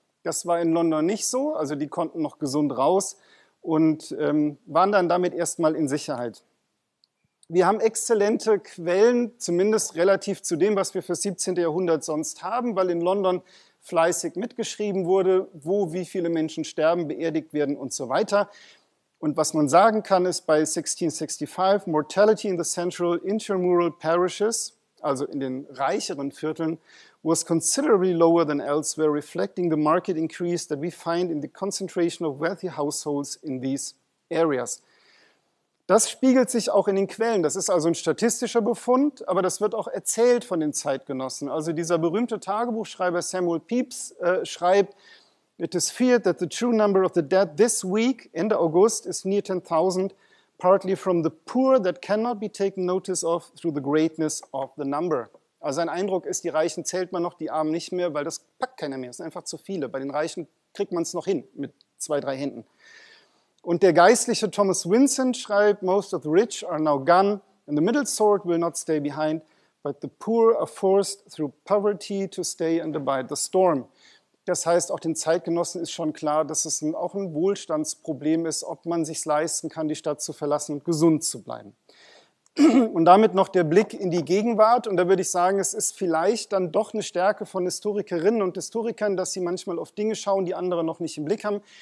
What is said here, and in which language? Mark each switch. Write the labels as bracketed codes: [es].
[de] Das war in London nicht so, also die konnten noch gesund raus und waren dann damit erstmal in Sicherheit. Wir haben exzellente Quellen, zumindest relativ zu dem, was wir für das 17. Jahrhundert sonst haben, weil in London fleißig mitgeschrieben wurde, wo wie viele Menschen sterben, beerdigt werden und so weiter. Und was man sagen kann, ist bei 1665, [en] Mortality in the Central Intramural Parishes, [de] also in den reicheren Vierteln, [en] was considerably lower than elsewhere, reflecting the market increase that we find in the concentration of wealthy households in these areas. [de] Das spiegelt sich auch in den Quellen. Das ist also ein statistischer Befund, aber das wird auch erzählt von den Zeitgenossen. Also dieser berühmte Tagebuchschreiber Samuel Pepys schreibt, [en] it is feared that the true number of the dead this week, [de] Ende August, [en] is near 10,000, partly from the poor that cannot be taken notice of through the greatness of the number. [de] Also ein Eindruck ist, die Reichen zählt man noch, die Armen nicht mehr, weil das packt keiner mehr. Es sind einfach zu viele. Bei den Reichen kriegt man es noch hin mit 2, 3 Händen. Und der Geistliche Thomas Vincent schreibt, [en] most of the rich are now gone and the middle sort will not stay behind, but the poor are forced through poverty to stay and abide the storm. [de] Das heißt, auch den Zeitgenossen ist schon klar, dass es auch ein Wohlstandsproblem ist, ob man sich's leisten kann, die Stadt zu verlassen und gesund zu bleiben. Und damit noch der Blick in die Gegenwart. Und da würde ich sagen, es ist vielleicht dann doch eine Stärke von Historikerinnen und Historikern, dass sie manchmal auf Dinge schauen, die andere noch nicht im Blick haben.